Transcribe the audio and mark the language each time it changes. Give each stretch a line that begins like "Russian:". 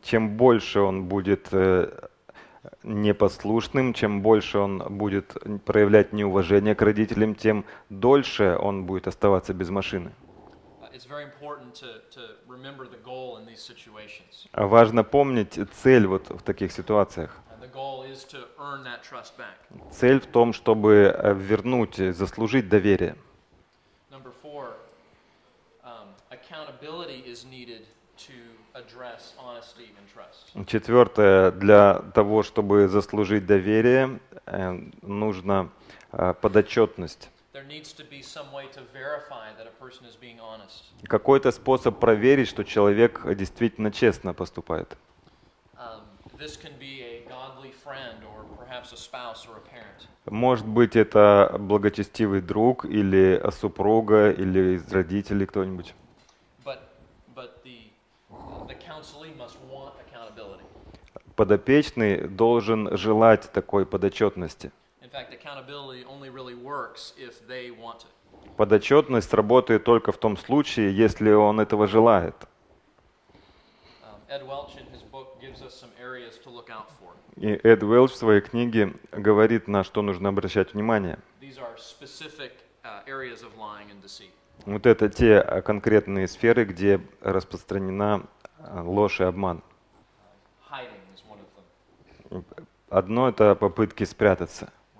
Russian: Чем больше он будет непослушным, чем больше он будет проявлять неуважение к родителям, тем дольше он будет оставаться без машины.
English: It's very important to remember the goal in these situations.
Russian: Важно помнить цель вот в таких ситуациях.
English: And the goal is to earn that trust back.
Russian: Цель в том, чтобы вернуть, заслужить доверие.
English: Number four, accountability is needed to address honesty and trust.
Russian: Четвертое, для того, чтобы заслужить доверие, нужна подотчетность.
English: There needs to be some way to verify that a person is being honest.
Russian: Какой-то способ проверить, что человек действительно честно поступает.
English: This can be a godly friend or perhaps a spouse or a parent.
Russian: Может быть, это благочестивый друг или супруга или из родителей кто-нибудь.
English: But the counselee must want accountability.
Russian: Подопечный должен желать такой подотчетности.
English: In fact, accountability only really works if they want it.
Russian: Подотчетность работает только в том случае, если он этого желает.
English: Ed Welch in his book gives us some areas to look out for.
Russian: И Эд Уэлч в своей книге говорит, на что нужно обращать внимание.
English: These are specific areas of lying and deceit.
Russian: Вот это те конкретные сферы, где распространена ложь и обман.
English: Hiding is one of them.
Russian: Одно – это попытки спрятаться.